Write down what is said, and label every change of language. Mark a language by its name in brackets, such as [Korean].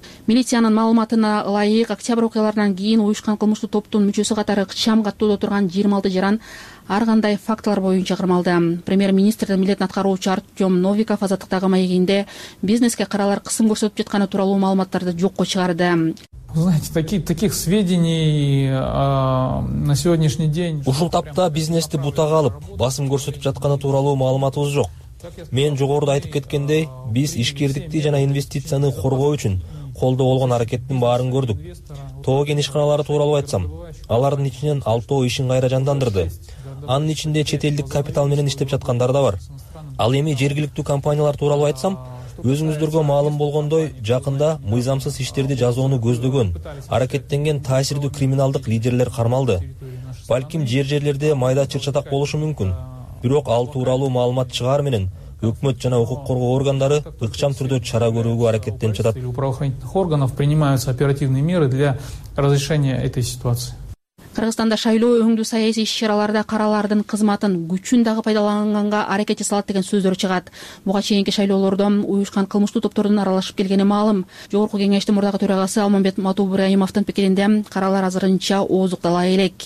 [Kyrgyz] Милициянын маалыматына ылайык, октябрь окуяларынан кийин уюшкан кылмыштуу топтун мүчөсү катары ыкчам каттоодо турган 26 жаран ар кандай фактылар боюнча кармалды. Премьер министрдин милетин аткаруучу Артём Новиков азаттыктагы маегинде бизнеске каралар кысым көрсөтүп жатканы тууралуу маалыматтарды жокко чыгарды. [Russian] Знаете, таких сведений на сегодняшний день. [Kyrgyz] Ушул тапта бизнести бутага алып, басым көрсөтүп жатканы тууралуу маалыматыбыз жок. Мен жогоруда айтып кеткендей, биз ишкердикти жана инвестицияны коргоо үчүн колдо болгон аракеттин баарын көрдүк. Тоо-кен ишканалары тууралуу айтсам, алардын ичинен 6 ишин кайра жандандырды. Анын ичинде чет элдик капитал менен иштеп жаткандар да бар. Ал эми жергиликтүү компаниялар тууралуу айтсам, өзүңүздөргө маалым болгондой, жакында мыйзамсыз иштерди жазууну көздөгөн, аракеттенген таасирдүү криминалдык лидерлер кармалды. Балким жер-жерлерде майда чыр-чатак болушу мүмкүн. Бирок ал тууралуу маалымат чыгаар менен өкмөт жана укук коргоо органдары ыкчам түрдө чара көрүүгө аракеттенип жатат. [Russian] Правоохранительных органов принимаются оперативные меры для разрешения этой ситуации. [Kyrgyz] Кыргызстанда шайлоо өңдүү саясий иш-чараларда каралардын кызматын күчүн дагы пайдаланганга аракет жасалат деген сөздөр чыгат. Буга чейинки шайлоолордо уюшкан кылмыштуу топтордун аралашып келгени маалым. Жогорку кеңештин мурдагы төрагасы Алмамбет Матубраимовдун пикиринде каралар азырынча ооздуктала элек.